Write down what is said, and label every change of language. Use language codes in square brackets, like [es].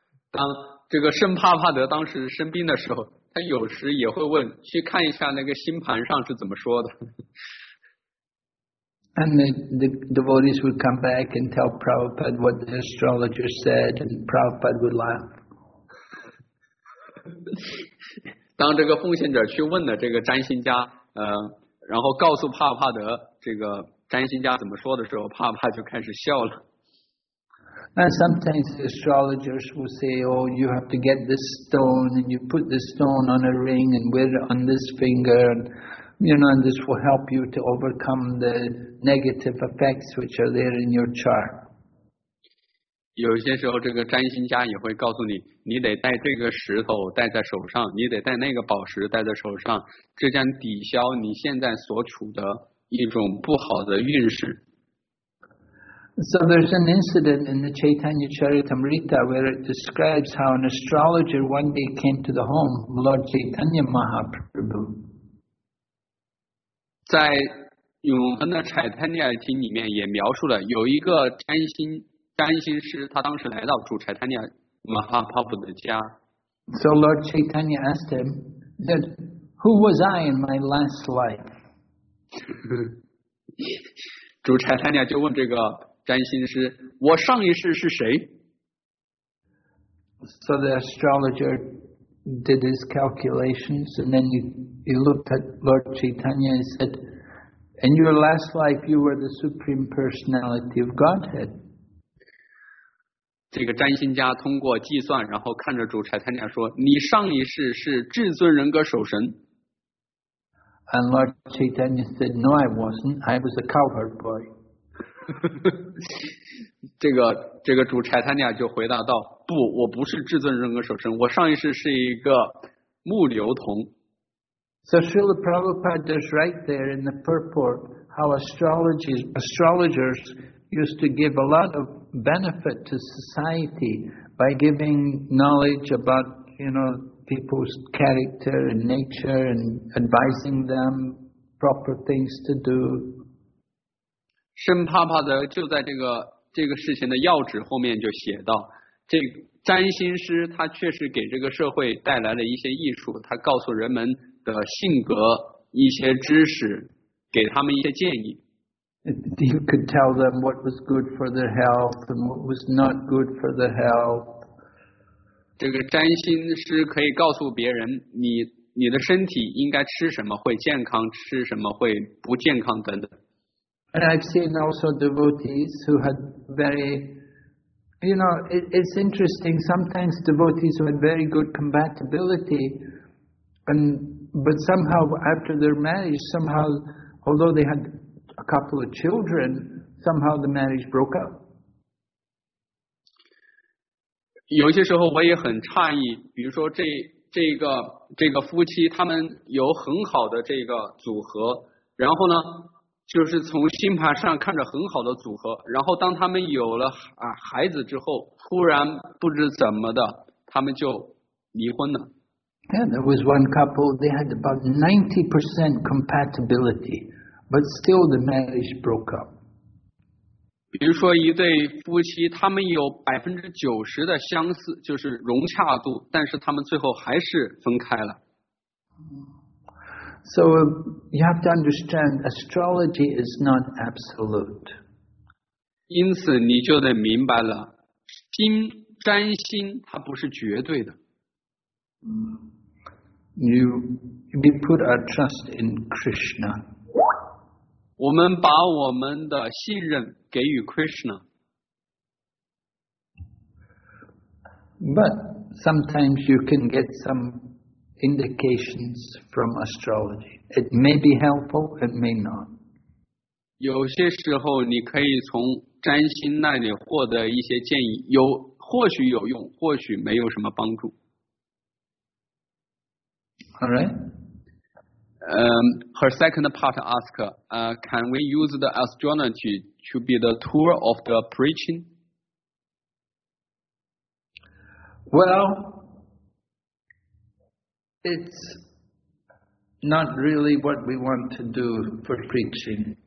[zh] 当这个圣帕帕德当时生病的时候，他有时也会问，去看一下那个星盘上是怎么说的。 [en] And the devotees would come back and tell Prabhupada what the astrologer said, and Prabhupada would laugh. [zh] 当这个奉献者去问了这个占星家，然后告诉帕帕德这个占星家怎么说的时候，帕帕就开始笑了。 [en] And sometimes astrologers will say, oh, you have to get this stone, and you put this stone on a ring and wear it on this finger, and, you know, and this will help you to overcome the negative effects which are there in your chart. [zh] 有些时候这个占星家也会告诉你，你得带这个石头戴在手上，你得带那个宝石戴在手上，这将抵消你现在所处的一种不好的运势。 [en] So there's an incident in the Chaitanya Charitamrita where it describes how an astrologer one day came to the home of Lord Chaitanya Mahaprabhu. [zh] 在永恒的柴坦尼亚经里面也描述了有一个占星师，他当时来到主柴坦尼亚马哈帕布的家。 [en] So Lord Chaitanya asked him, said, "Who was I in my last life?" [zh] 主柴坦尼亚就问这个。占星师，我上一世是谁？ [en] So the astrologer did his calculations, and then he looked at Lord Chaitanya and said, "In your last life, you were the supreme personality of Godhead." [zh] 这个占星家通过计算，然后看着主柴坦尼亚说：“你上一世是至尊人格守神。” [en] And Lord Chaitanya said, "No, I wasn't. I was a cowherd boy." [zh] 这个主柴坦尼亚就回答道，不，我不是至尊人格守身，我上一世是一个牧牛童。 [en] So Srila Prabhupada is right there in the purport how astrologers used to give a lot of benefit to society by giving knowledge about, you know, people's character and nature and advising them proper things to do。 [zh] 圣帕帕德就在这个事情的要旨后面就写到，这占星师他确实给这个社会带来了一些益处，他告诉人们的性格一些知识，给他们一些建议。 [en] You could tell them what was good for their health and what was not good for their health. [zh] 这个占星师可以告诉别人你的身体应该吃什么会健康，吃什么会不健康等等。 [en] And I've seen also devotees who had very, you know, it's interesting. Sometimes devotees who had very good compatibility, but somehow after their marriage, somehow, although they had a couple of children, somehow the marriage broke up. [zh] 有些时候我也很诧异，比如说这个夫妻，他们有很好的这个组合，然后呢？就是从星盘上看着很好的组合，然后当他们有了孩子之后，忽然不知怎么的，他们就离婚了。 [en] Yeah, there was one couple, they had about 90% compatibility, but still the marriage broke up. [zh] 比如说一对夫妻，他们有90%的相似，就是融洽度，但是他们最后还是分开了。 [en] So you have to understand astrology is not absolute. [zh] 因此你就得明白了，星占星它不是绝对的。 [en] We put our trust in Krishna. [zh] 我们把我们的信任给予 Krishna. [en] But sometimes you can get some indications from astrology. It may be helpful, it may not. [zh] 有些时候你可以从占星那里获得一些建议，或许有用，或许没有什么帮助。 [en] All right. Her second part ask, can we use the astrology to be the tool of the preaching? Well,It's not really what we want to do for preaching.